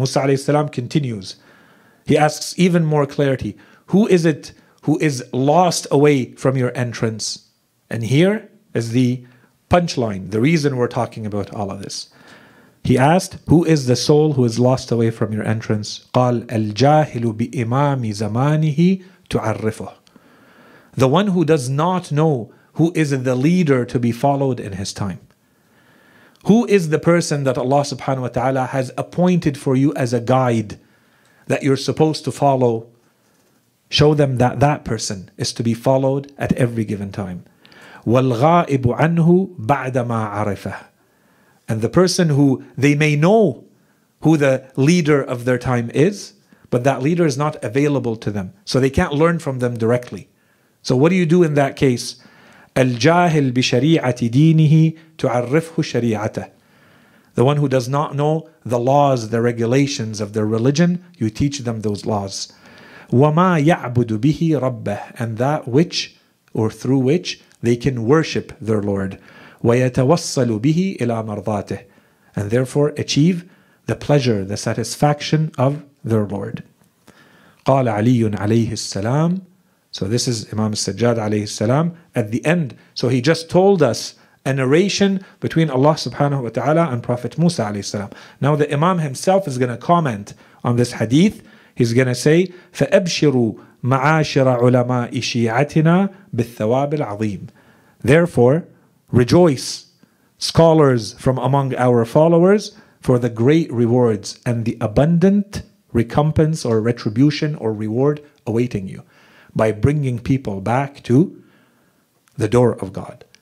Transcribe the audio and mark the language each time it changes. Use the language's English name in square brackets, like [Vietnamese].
[English] Musa alayhi salam continues. He asks even more clarity. Who is it who is lost away from your entrance? And here is the punchline, the reason we're talking about all of this. He asked, who is the soul who is lost away from your entrance? [Arabic] قال الجاهل بإمام زمانه تعرفه. [English] The one who does not know who is the leader to be followed in his time. Who is the person that Allah subhanahu wa ta'ala has appointed for you as a guide that you're supposed to follow? Show them that that person is to be followed at every given time. [Arabic] وَالْغَائِبُ عَنْهُ بَعْدَمَا عَرِفَهُ. [English] And the person who they may know who the leader of their time is, but that leader is not available to them, so they can't learn from them directly. So what do you do in that case? [Arabic] الجاهل بشريعة دينه تعرفه شريعته. [English] The one who does not know the laws, the regulations of their religion, you teach them those laws. [Arabic] وما يعبد به ربه. [English] And that which or through which they can worship their Lord. [Arabic] ويتوصل به إلى مرضاته. [English] And therefore achieve the pleasure, the satisfaction of their Lord. [Arabic] قال علي عليه السلام. [English] So this is Imam Sajjad alayhi salam at the end. So he just told us a narration between Allah subhanahu wa ta'ala and Prophet Musa alayhi salam. Now the Imam himself is going to comment on this hadith. He's going to say, [Arabic] فَأَبْشِرُوا مَعَاشِرَ عُلَمَاءِ شِيعَتِنَا بِالثَّوَابِ الْعَظِيمِ. [English] Therefore, rejoice, scholars from among our followers, for the great rewards and the abundant recompense or retribution or reward awaiting you. By bringing people back to the door of God.